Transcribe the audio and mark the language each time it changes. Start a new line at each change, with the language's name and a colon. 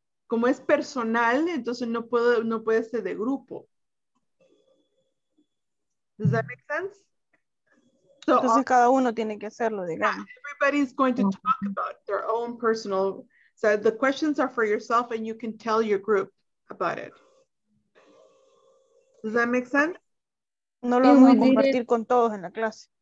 Spanish: Como es personal, entonces no puedo, no puede ser de grupo.
English: Does that make sense?
Spanish: So entonces all, cada uno tiene que hacerlo, digamos.
English: Yeah, everybody is going to talk about their own personal. So the questions are for yourself and you can tell your group about it. Does that make sense?
Spanish: No lo vamos a compartir con todos en la clase.